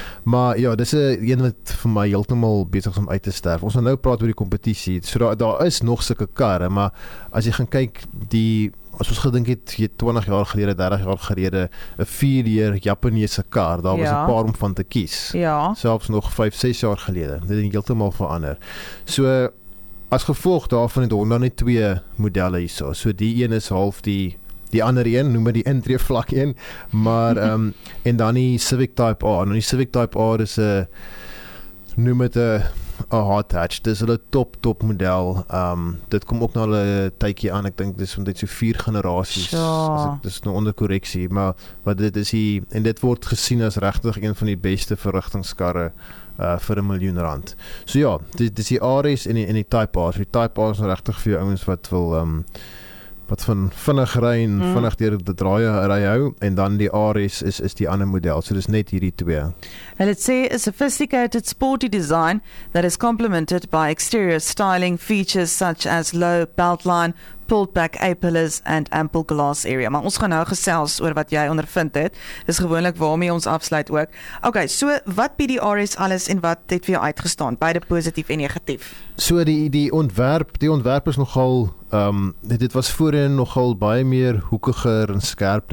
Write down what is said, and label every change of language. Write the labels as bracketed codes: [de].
[af] Maar ja, dis 'n een wat vir my heeltemal besig is om uit te sterf. Ons gaan nou praat oor die kompetisie, so daar is nog sulke karre, maar as jy gaan kyk, as ons gedink het, 20 jaar gelede, 30 jaar gelede, 'n vierdeur Japaneese kar, daar was 'n paar om van te kies. Ja. Selfs nog 5, 6 jaar gelede. Dit het heeltemal verander. So, as gevolg daarvan het Honda net 2 modelle hierso. So, die een is half die ander een, noem maar die intree vlak 1, maar, en dan die Civic Type R. Nou, die Civic Type R is noem het 'n hot hatch. Dis hulle top model. Dit kom ook na hulle tydjie aan. Ek dink dis omtrent so 4 generasies. Ja. Dis nou onder korreksie, maar wat dit is hier, en dit word gesien as regtig een van die beste verrigtingskarre vir 'n miljoen rand. So ja, dis die Aries en die Type R. Die Type R is nou regtig vir jou ouens wat wil wat van vinnig ry en vinnig deur die draaiery hou, en dan die Aries is die ander model. So dis net hierdie twee. [en] And let's say a sophisticated sporty design that is complemented by exterior styling features such as low beltline, pulled back A-pillars and ample glass area. [af] Maar ons gaan nou gesels oor wat jy ondervind het. Dis gewoonlik waarmee ons afsluit ook. Okay, so wat bied die Aries alles en wat het vir jou uitgestaan, beide positief en negatief? So die ontwerp is nogal dit was voorheen nogal baie meer hoekiger en skerp.